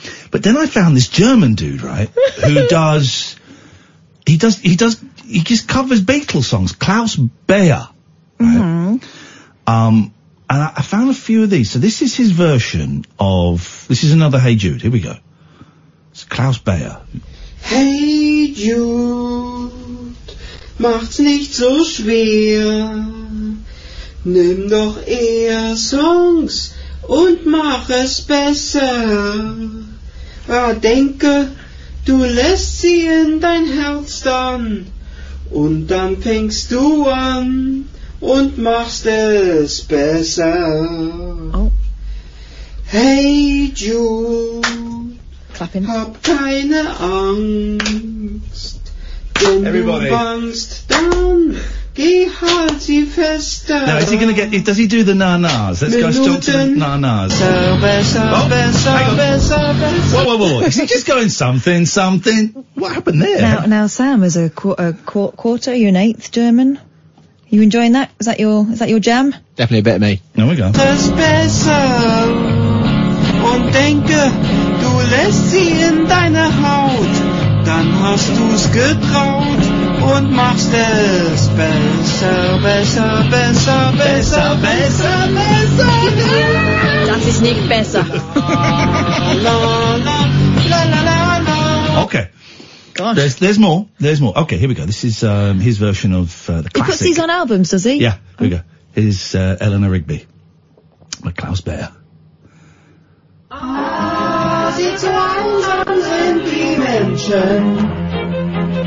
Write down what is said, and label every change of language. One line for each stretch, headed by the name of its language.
English: But then I found this German dude, right, who just covers Beatles songs, Klaus Beyer. Right? Mm-hmm. And I found a few of these. So this is his version of, this is another Hey Jude. Here we go. It's Klaus Beyer.
German: Hey Jude, macht's nicht so schwer. Nimm doch eher Songs und mach es besser. Ah, denke, du lässt sie in dein Herz dann. Und dann fängst du an und machst es besser.
English: Oh. Hey Jude, clapping.
German: Hab keine Angst. Wenn
English: Everybody.
German: Du bangst, dann geh halt sie fester.
English: Now, is he gonna get, does he do the na-nas? Let's go talk to the na-nas. Whoa. Is he just going something? What happened there? Now Sam is a quarter, you're an eighth German. You enjoying that? Is that your jam? Definitely a bit of me. There we go.
German: Das besser. Und denke, du lässt sie in deine Haut. Dann hast du's getraut. Und machst es besser. Das ist nicht besser.
English: Okay. Gosh. There's more. Okay, here we go. This is his version of the classic. He puts these on albums, does he? Yeah, here we go. Here's Eleanor Rigby by Klaus Beyer.
German: Ah, sie zu einsam sind die Menschen.